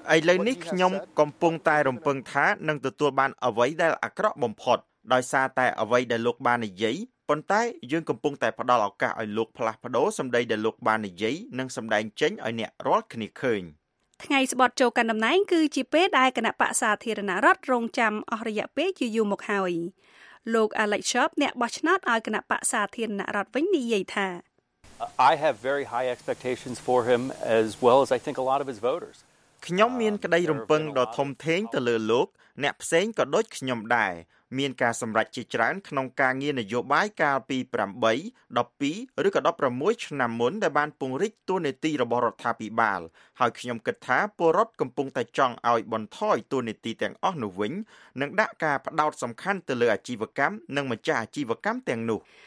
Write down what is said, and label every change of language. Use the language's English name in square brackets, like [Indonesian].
[Khmer] ឥឡូវនេះខ្ញុំកំពុងតែរំពឹងថានឹងទទួលបានអ្វីដែលអាក្រក់បំផុតដោយសារតែអ្វីដែលលោកបាននិយាយប៉ុន្តែយើងកំពុងតែផ្ដល់ឱកាសឲ្យលោកផ្លាស់ប្ដូរសម្ដីដែលលោកបាននិយាយនិងសម្ដែងចេញឲ្យអ្នករាល់គ្នាឃើញ ថ្ងៃស្បុតចូលកាន់តំណែងគឺជាពេលដែលគណៈបក្សសាធារណរដ្ឋរងចាំអស់រយៈពេលជាយូរមកហើយលោក Alex Sharp អ្នកបោះឆ្នោតឲ្យគណៈបក្សសាធារណរដ្ឋវិញនិយាយថា [English] I have very high expectations for him as well as I think a lot of his voters. [Khmer] ខ្ញុំមានក្តីរំពឹងដ៏ធំធេងទៅលើលោកអ្នកផ្សេងក៏ដូចខ្ញុំដែរមានការសម្រេចជាច្រើនក្នុងការងារនយោបាយកាលពី8 12ឬក៏16ឆ្នាំមុនដែលបានពង្រីកទួនាទីរបស់រដ្ឋាភិបាលហើយខ្ញុំគិតថាពលរដ្ឋកំពុងតែចង់ឲ្យបន្ថយទួនាទីទាំងអស់នោះវិញនិងដាក់ការផ្ដោតសំខាន់ទៅលើអាជីវកម្មនិងម្ចាស់អាជីវកម្មទាំងនោះ